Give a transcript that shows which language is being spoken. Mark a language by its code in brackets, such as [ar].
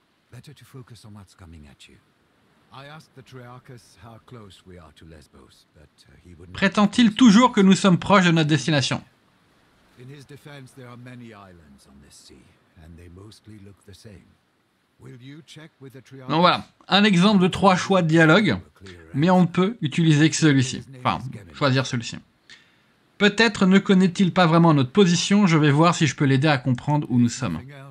[en] Better to focus on what's coming at you. I asked the Triarchus how close we are to Lesbos, but he wouldn't... [fr] Prétend-il toujours que nous sommes proches de notre destination? [en] In his defense, there are many islands on this sea, and they mostly look the same. Will you check with the Triarchus? [fr] Donc voilà, un exemple de trois choix de dialogue, mais on ne peut utiliser que celui-ci. Enfin, choisir celui-ci. Peut-être ne connaît-il pas vraiment notre position, je vais voir si je peux l'aider à comprendre où nous sommes.